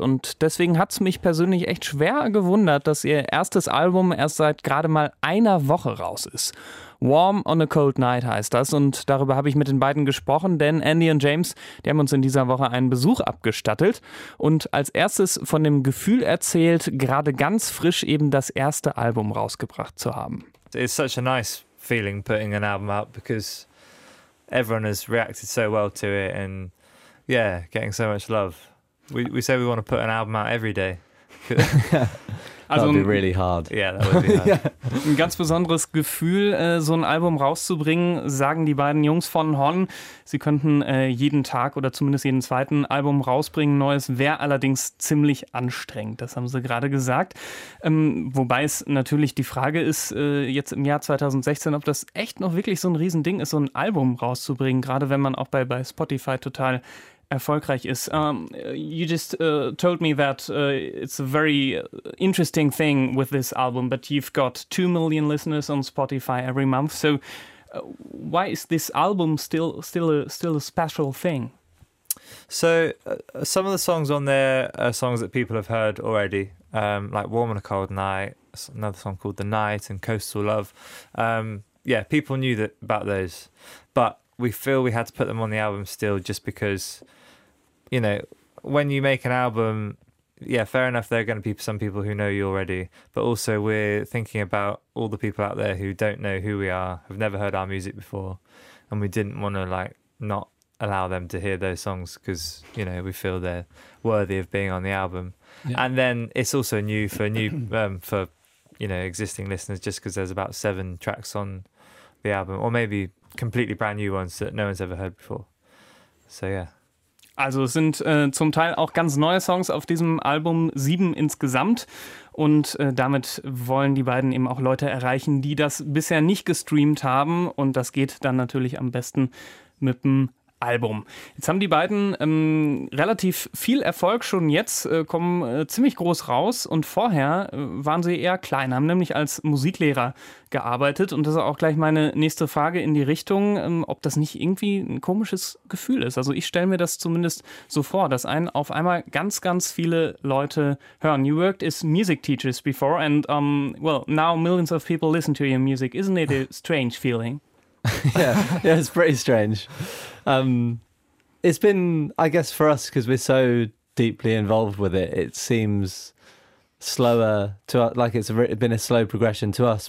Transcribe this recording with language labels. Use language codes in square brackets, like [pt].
[de] Und deswegen hat es mich persönlich echt schwer gewundert, dass ihr erstes Album erst seit gerade mal einer Woche raus ist. Warm on a Cold Night heißt das, und darüber habe ich mit den beiden gesprochen, denn Andy und James, die haben uns in dieser Woche einen Besuch abgestattet und als erstes von dem Gefühl erzählt, gerade ganz frisch eben das erste Album rausgebracht zu haben. [en] It's such a nice feeling putting an album out because everyone has reacted so well to it and yeah, getting so much love. We say we want to put an album out every day. Also that would be really hard. Yeah, that would be hard. [de] Ein ganz besonderes Gefühl, so ein Album rauszubringen, sagen die beiden Jungs von Hon. Sie könnten jeden Tag oder zumindest jeden zweiten Album rausbringen. Neues wäre allerdings ziemlich anstrengend. Das haben sie gerade gesagt. Wobei es natürlich die Frage ist, jetzt im Jahr 2016, ob das echt noch wirklich so ein Riesending ist, so ein Album rauszubringen, gerade wenn man auch bei Spotify total erfolgreich ist. [en] You just told me that it's a very interesting thing with this album, but you've got 2 million listeners on Spotify every month. So why is this album still a special thing? So some of the songs on there are songs that people have heard already, like Warm on a Cold Night, another song called The Night and Coastal Love. Yeah, people knew that about those, but we feel we had to put them on the album still just because, you know, when you make an album, yeah, fair enough, there are going to be some people who know you already. But also we're thinking about all the people out there who don't know who we are, have never heard our music before. And we didn't want to, like, not allow them to hear those songs because, you know, we feel they're worthy of being on the album. Yeah. And then it's also new for, for you know, existing listeners, just because there's about 7 tracks on the album, or maybe completely brand new ones that no one's ever heard before. So, yeah. [de] Also es sind zum Teil auch ganz neue Songs auf diesem Album, 7 insgesamt. Und damit wollen die beiden eben auch Leute erreichen, die das bisher nicht gestreamt haben. Und das geht dann natürlich am besten mit dem Album. Jetzt haben die beiden relativ viel Erfolg schon jetzt, kommen ziemlich groß raus. Und vorher waren sie eher klein, haben nämlich als Musiklehrer gearbeitet. Und das ist auch gleich meine nächste Frage in die Richtung, ob das nicht irgendwie ein komisches Gefühl ist. Also ich stelle mir das zumindest so vor, dass einen auf einmal ganz, ganz viele Leute hören. [en] You worked as music teachers before and now millions of people listen to your music. Isn't it a strange feeling? yeah, it's pretty strange. It's been, I guess, for us, because we're so deeply involved with it, it seems slower to us, like it's been a slow progression to us.